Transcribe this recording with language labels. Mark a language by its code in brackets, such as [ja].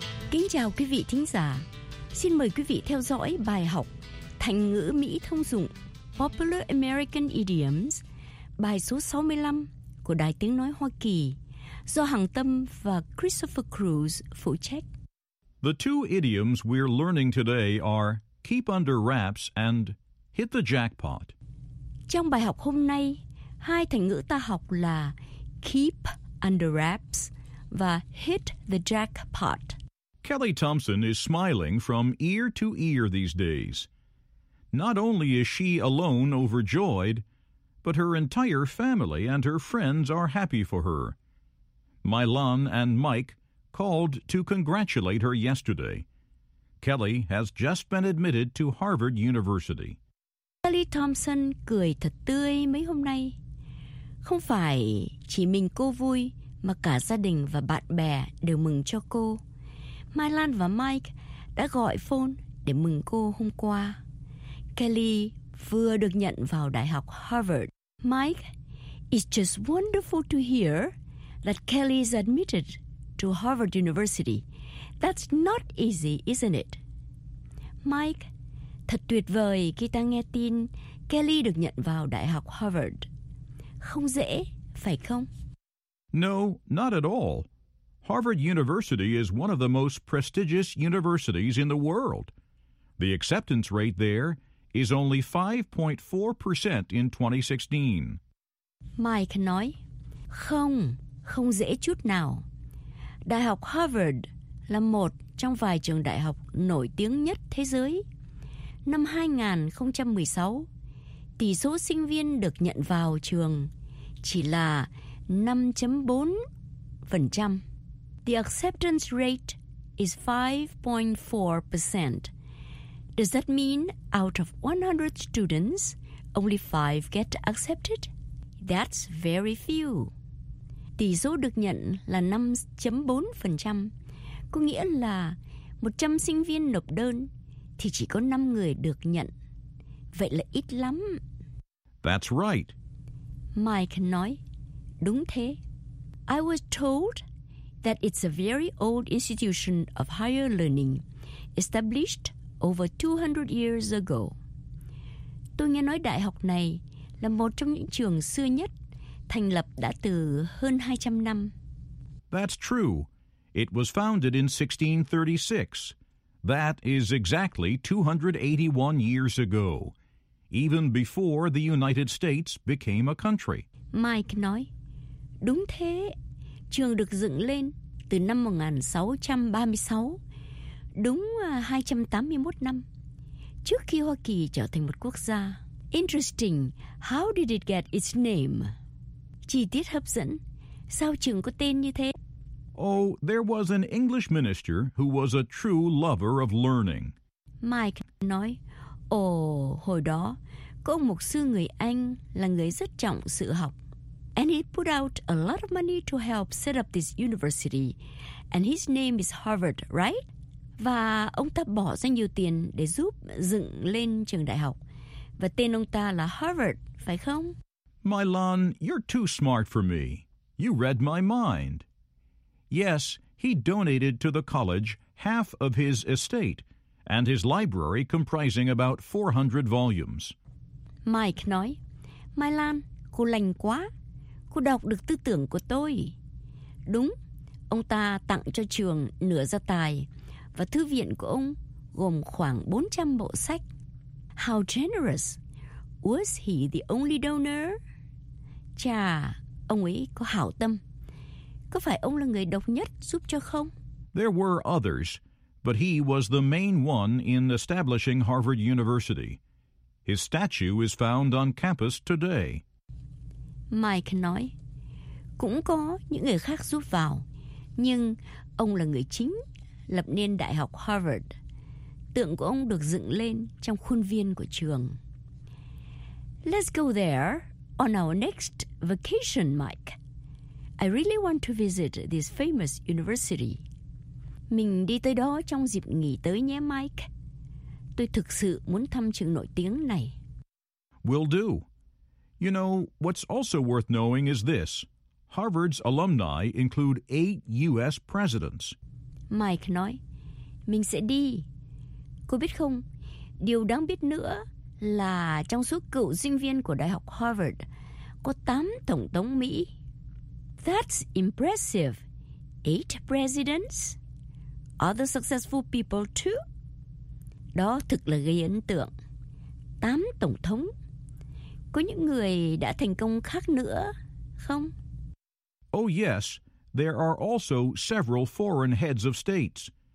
[vi] Kính chào quý vị thính giả. Xin mời quý vị theo dõi bài học thành ngữ Mỹ thông dụng [en] Popular American Idioms, [vi] bài số 65 của Đài Tiếng Nói Hoa Kỳ, do Hằng Tâm và Christopher Cruz phụ trách. [en] The two idioms we're learning today are keep under wraps and hit the jackpot. [vi] Trong bài học hôm nay, hai thành ngữ ta học là [en] keep under wraps [vi] và [en] hit the jackpot. Kelly Thompson is smiling from ear to ear these days. Not only is she alone overjoyed, but her entire family and her friends are happy for her. Mylon and Mike called to congratulate her yesterday. Kelly has just been admitted to Harvard University. [vi] Kelly Thompson cười thật tươi mấy hôm nay. Không phải chỉ mình cô vui, mà cả gia đình và bạn bè đều mừng cho cô. Mylon và Mike đã gọi phone để mừng cô hôm qua. Kelly vừa được nhận vào Đại học Harvard. [en] Mike, it's just wonderful to hear that Kelly is admitted to Harvard University. That's not easy, isn't it? [vi] Mike, thật tuyệt vời khi ta nghe tin Kelly được nhận vào Đại học Harvard. Không dễ, phải không? [en] No, not at all. Harvard University is one of the most prestigious universities in the world. The acceptance rate there is only 5.4% in 2016. [vi] Mike nói, không, không dễ chút nào. Đại học Harvard là một trong vài trường đại học nổi tiếng nhất thế giới. Năm 2016, tỷ số sinh viên được nhận vào trường chỉ là 5.4%. [en] The acceptance rate is 5.4%. Does that mean out of 100 students, only 5 get accepted? That's very few. [vi] Tỷ số được nhận là 5.4%, có nghĩa là 100 sinh viên nộp đơn thì chỉ có 5 người được nhận. Vậy là ít lắm. [en] That's right. [vi] Mike nói, đúng thế. [en] I was told that it's a very old institution of higher learning, established over 200 years ago. [vi] Tôi nghe nói đại học này là một trong những trường xưa nhất, thành lập đã từ hơn 200 năm. [en] That's true. It was founded in 1636. That is exactly 281 years ago, even before the United States became a country. [vi] Mike nói, đúng thế, trường được dựng lên từ năm 1636, đúng 281 năm, trước khi Hoa Kỳ trở thành một quốc gia. [en] Interesting, how did it get its name? [vi] Chi tiết hấp dẫn, sao trường có tên như thế? [en] Oh, there was an English minister who was a true lover of learning. [vi] Mike nói, hồi đó, có ông mục sư người Anh là người rất trọng sự học. [en] And he put out a lot of money to help set up this university. And his name is Harvard, right? [vi] Và ông ta bỏ ra nhiều tiền để giúp dựng lên trường đại học. Và tên ông ta là Harvard, phải không? [en] Milan, you're too smart for me. You read my mind. Yes, he donated to the college half of his estate and his library comprising about 400 volumes. [vi] Mike nói, Milan, cô lành quá. Cô đọc được tư tưởng của tôi. Đúng, ông ta tặng cho trường nửa gia tài và thư viện của ông gồm khoảng 400 bộ sách. [en] How generous! Was he the only donor? [vi] Chà, ông ấy có hảo tâm. Có phải ông là người độc nhất giúp cho không? [en] There were others, but he was the main one in establishing Harvard University. His statue is found on campus today. [vi] Mike nói, cũng có những người khác giúp vào, nhưng ông là người chính lập nên Đại học Harvard. Tượng của ông được dựng lên trong khuôn viên của trường. [en] Let's go there on our next vacation, Mike. I really want to visit this famous university. [vi] Mình đi tới đó trong dịp nghỉ tới nhé, Mike. Tôi thực sự muốn thăm trường nổi tiếng này. [en] Will do. You know, what's also worth knowing is this. Harvard's alumni include 8 U.S. presidents. [vi] Mike nói, mình sẽ đi. Cô biết không, điều đáng biết nữa là trong số cựu sinh viên của Đại học Harvard, có 8 tổng thống Mỹ. [en] That's impressive. 8 presidents? Other successful people too? [vi] Đó thực là gây ấn tượng. 8 tổng thống. Có những người đã thành công khác nữa, không? [en] Oh yes, there are also several foreign heads of states.